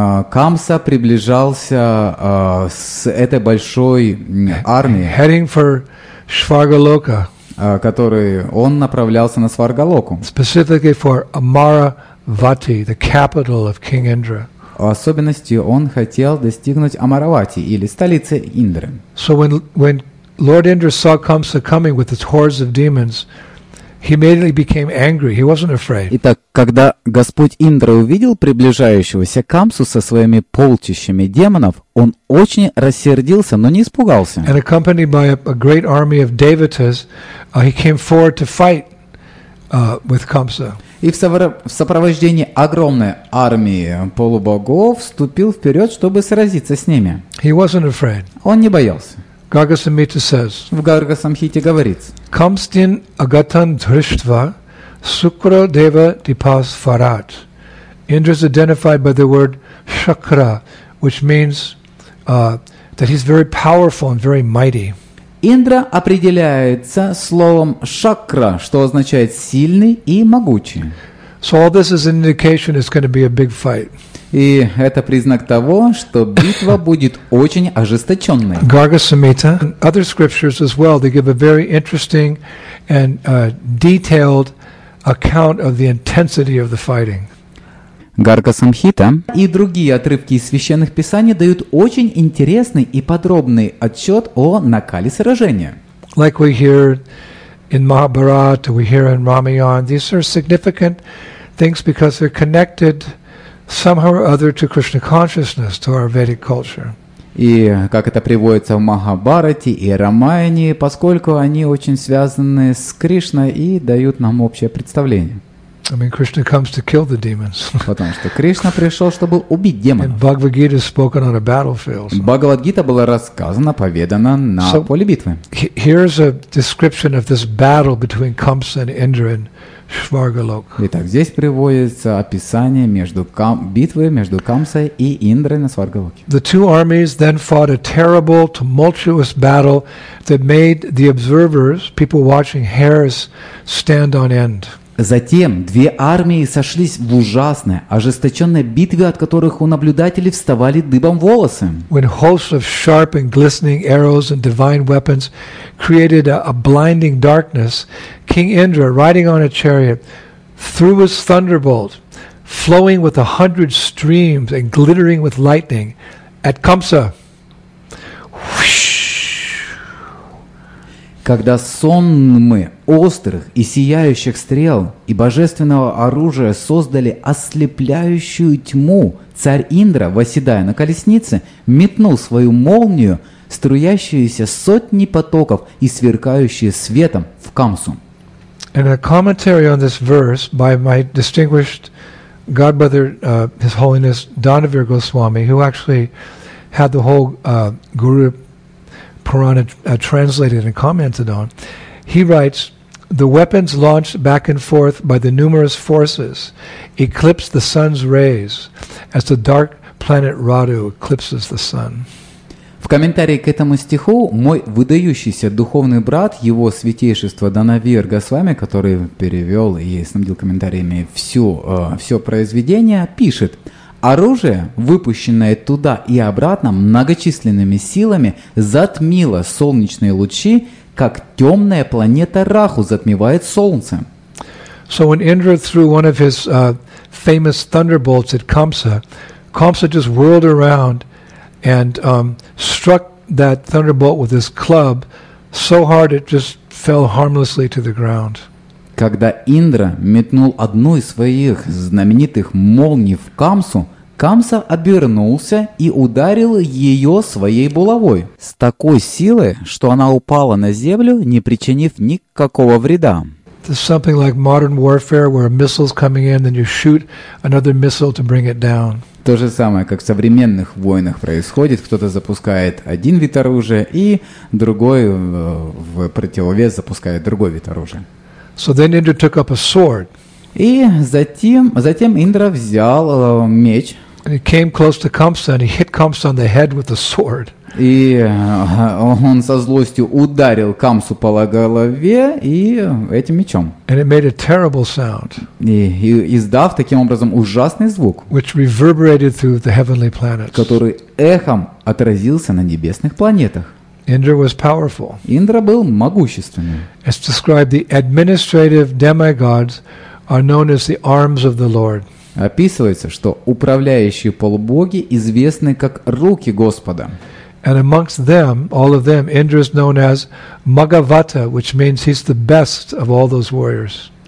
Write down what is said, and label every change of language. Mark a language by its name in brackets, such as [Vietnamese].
[Russian] Камса приближался с этой большой армией, [English] heading for Svargaloka, [Russian] который он направлялся на Сваргалоку. [English] Specifically for Amaravati, the capital of King Indra. [Russian] В особенности он хотел достигнуть Амаравати или столицы Индры. [English] So when Lord Indra saw Kamsa coming with his hordes of demons, he immediately became angry. He wasn't afraid. [Russian] Итак, когда Господь Индра увидел приближающегося Камсу со своими полчищами демонов, он очень рассердился, но не испугался. [English] And accompanied by a great army of devatas, he came forward to fight with Kamsa. [Russian] И в сопровождении огромной армии полубогов вступил вперед, чтобы сразиться с ними. [English] He wasn't afraid. [Russian] Он не боялся. [English] Gargasamhita says. [Russian] В Гаргасамхите говорится. [Sanskrit] Камстин агатан дриштва Sukra Deva Dipas Farat. [English] Indra is identified by the word Shukra, which means that he's very powerful and very mighty. [Russian] Индра определяется словом шакра, что означает сильный и могучий. [English] So all this is an indication it's going to be a big fight. [Russian] И это признак того, что битва будет очень ожесточенной. [English] Garga Samhita, other scriptures as well, they give a very interesting and detailed account of the intensity of the fighting. [Russian] Гарга Самхита и другие отрывки из священных писаний дают очень интересный и подробный отчет о накале сражения. [English] Like we hear in Mahabharata, we hear in Ramayana, these are significant things because they're connected somehow or other to Krishna consciousness, to our Vedic culture. [Russian] И как это приводится в Махабхарате и Рамаяне, поскольку они очень связаны с Кришной и дают нам общее представление. [English] I mean, Krishna comes to kill the demons. [Russian] Потому что Кришна пришел, чтобы убить демонов. [English] And Bhagavad-gita is spoken on a battlefield. [Russian] Бхагавад-гита была рассказана, поведана на поле битвы. [English] Here's a description of this battle between Kamsa and Indra in Svargalok. [Russian] Итак, здесь приводится описание между битвы между Камсой и Индрой на Сваргалоке. [English] The two armies then fought a terrible, tumultuous battle that made the observers, people watching, hairs stand on end. [Russian] Затем две армии сошлись в ужасной, ожесточенной битве, от которых у наблюдателей вставали дыбом волосы. [English] When hosts of sharp and glistening arrows and divine weapons created a blinding darkness, King Indra, riding on a chariot, threw his thunderbolt, flowing with 100 streams and glittering with lightning, at Kamsa. [Russian] Когда сонмы острых и сияющих стрел и божественного оружия создали ослепляющую тьму, царь Индра, восседая на колеснице, метнул свою молнию, струящуюся сотни потоков и сверкающие светом в Камсу. [English] In a commentary on this verse by my distinguished godbrother, His Holiness Dhanavir Goswami, who actually had the whole Guru Purana translated and commented on, he writes, the weapons launched back and forth by the numerous forces eclipse the sun's rays as the dark planet Radu eclipses the sun. [Russian] В комментарии к этому стиху мой выдающийся духовный брат, его святейшество Дханавир Госвами, который перевел и снабдил комментариями все произведение, пишет: оружие, выпущенное туда и обратно многочисленными силами, затмило солнечные лучи, как темная планета Раху затмевает солнце. [English] So when Indra threw one of his famous thunderbolts at Kamsa, Kamsa just whirled around and struck that thunderbolt with his club so hard it just fell harmlessly to the ground. [Russian] Когда Индра метнул одну из своих знаменитых молний в Камсу, Камса обернулся и ударил ее своей булавой с такой силой, что она упала на землю, не причинив никакого вреда. [English] It's something like modern warfare, where a missile's coming in, then you shoot another missile to bring it down. [Russian] То же самое, как в современных войнах происходит. Кто-то запускает один вид оружия, и другой в противовес запускает другой вид оружия. [English] So then Indra took up a sword. [Russian] И затем Индра взял меч. [English] And he came close to Kamsa and he hit Kamsa on the head with the sword. [Russian] И он со злостью ударил Камсу по голове и этим мечом. [English] And it made a terrible sound. [Russian] И издав таким образом ужасный звук, [English] which reverberated through the heavenly planets. [Russian] Который эхом отразился на небесных планетах. [English] Indra was powerful. [Russian] Индра был могущественным. [English] It's described the administrative demigods are known as the arms of the Lord. [Russian] Описывается, что управляющие полубоги известны как руки Господа. [English] And amongst them, all of them, Indra is known as Magavata, which means he's the best of all those warriors.